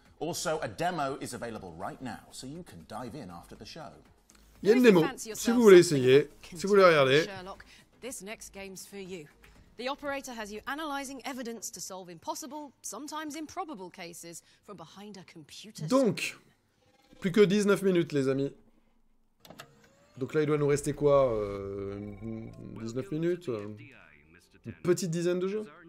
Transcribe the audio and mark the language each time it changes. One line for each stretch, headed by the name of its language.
English: Also, a demo is available right now, so you can dive in after the show.
French: Il y a une démo, si vous voulez essayer, si vous voulez regarder.
English: Sherlock, this next game's for you. The operator has you analyzing evidence to solve impossible, sometimes improbable cases from behind a computer screen.
French: Donc, plus que 19 minutes, les amis. Donc là, il doit nous rester quoi 19 minutes Une petite dizaine de jeux.